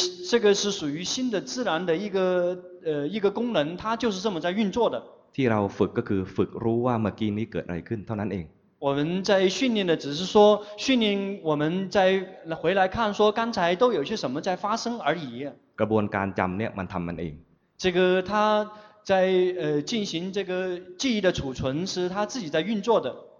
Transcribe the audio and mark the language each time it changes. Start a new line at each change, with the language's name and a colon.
Chinese: 这个是属于心的自然的一个功能它就是这么在运作的
Thai: ที่เราฝึกก็คือฝึกรู้ว่าเมื่อกี้นี้เกิดอะไรขึ้นเท่านั้นเอง
Chinese: 我们在训练的只是说训练我们在回来看说刚才都有些什么在发生而已
Thai: กระบวนการจำเนี่ยมันทำมันเอง
Chinese: 这个它在进行这个记忆的储存是他自己在运作的